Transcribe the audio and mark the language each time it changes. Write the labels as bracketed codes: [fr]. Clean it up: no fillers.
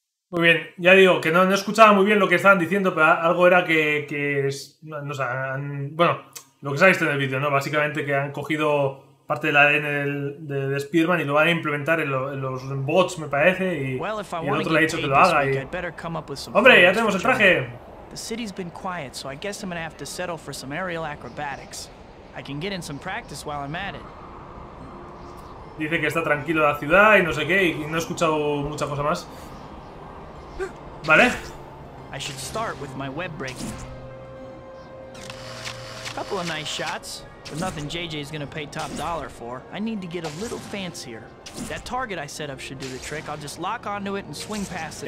[es] Muy bien, ya digo que no escuchaba muy bien lo que estaban diciendo, pero algo era que, es, no, o sea, bueno, lo que se ha visto en el vídeo, ¿no? Básicamente que han cogido parte del ADN de Spider-Man y lo van a implementar en los bots, me parece, y el otro le ha dicho que lo haga. Y... ¡Hombre, ya tenemos el traje! [en] The city's been quiet, so I guess I'm gonna have to settle for some aerial acrobatics. I can get in some practice while I'm at it. [es] Dice que está tranquilo la ciudad y no sé qué, y no he escuchado mucha cosa más. Vale. [en] I should start with my web breaking. Couple of nice shots. But nothing JJ's gonna pay top dollar for. I need to get a little fancier. That target I set up should do the trick. I'll just lock onto it and swing past it.